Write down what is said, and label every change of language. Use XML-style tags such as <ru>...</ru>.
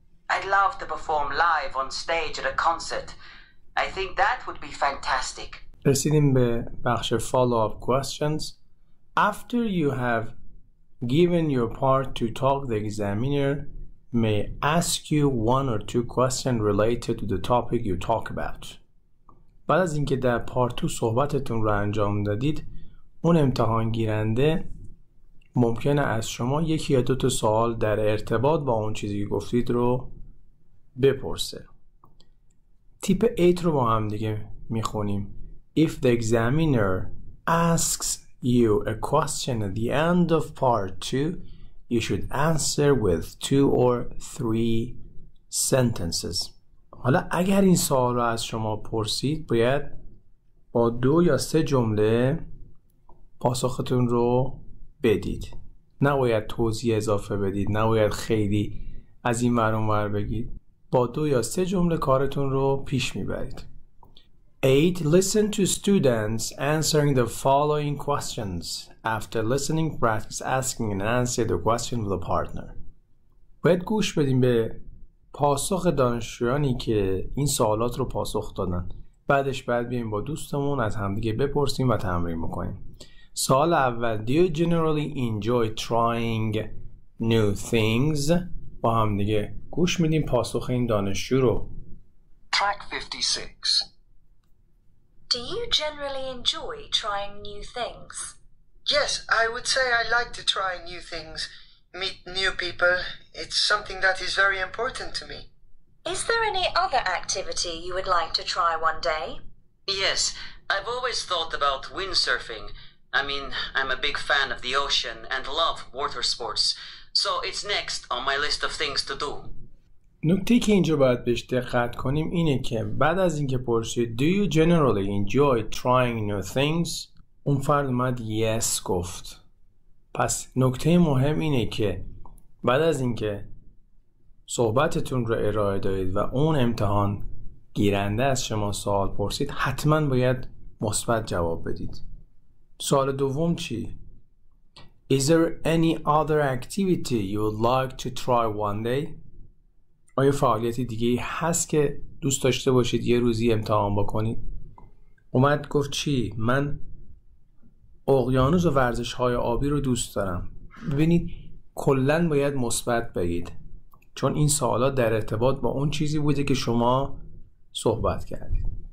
<en>I'd love to perform live on stage at a concert. I think that would be fantastic.</en> <fa>رسیدیم به بخش</fa> <en>follow-up questions. After you have given your part to talk, the examiner may ask you one or two questions related to the topic you talk about.</en> <fa>بعد از اینکه در پارت 2 صحبتتون رو انجام دادید، اون امتحان گیرنده ممکنه از شما یکی یا دو تا سوال در ارتباط با اون چیزی که گفتید رو بپرسه. تیپ 8 رو با هم دیگه میخونیم.</fa> <en>If the examiner asks you a question at the end of part 2, you should answer with 2 or 3 sentences.</en> <fa>حالا اگر این سوال رو از شما پرسید، باید با 2 یا 3 جمله پاسختون رو بدید. نباید توضیح اضافه بدید، نباید خیلی از این ور اون ور بگید. با 2 یا 3 جمله کارتون رو پیش میبرید.</fa> <en>8. Listen to students answering the following questions. After listening, practice asking and answer the question with a partner.</en> <fa>باید گوش بدیم به پاسخ دانشجویانی که این سوالات رو پاسخ دادن. بعدش باید بیایم با دوستمون از همدیگه بپرسیم و تمرین بکنیم. سوال اول:</fa> <en>Do you generally enjoy trying new things?</en> <fa>با همدیگه گوش میدیم پاسخ این دانشجو رو.</fa> <en>Track 56. Do you generally enjoy trying new things? Yes, I would say I like to try new things. Meet new people. It's something that is very important to me. Is there any other activity you would like to try one day? Yes, I've always thought about windsurfing. I mean, I'm a big fan of the ocean and love water sports. So it's next on my list of things to do.</en> <fa>نکته که اینجا باید بهش دقت کنیم اینه که بعد از اینکه پرسید</fa> <en>Do you generally enjoy trying new things؟</en> <fa>اون فرد اومد yes گفت. پس نکته مهم اینه که بعد از اینکه صحبتتون رو ارائه دادید و اون امتحان گیرنده از شما سوال پرسید، حتما باید مثبت جواب بدید. سوال دوم چی؟</fa> <en>Is there any other activity you would like to try one day؟</en> <fa>آیا فعالیتی دیگه هست که دوست داشته باشید یه روزی امتحان بکنید؟ اومد گفت چی؟ من اقیانوس و ورزش‌های آبی رو دوست دارم. ببینید کلن باید مثبت بگید، چون این سوالات در ارتباط با اون چیزی بوده که شما صحبت کردید.</fa>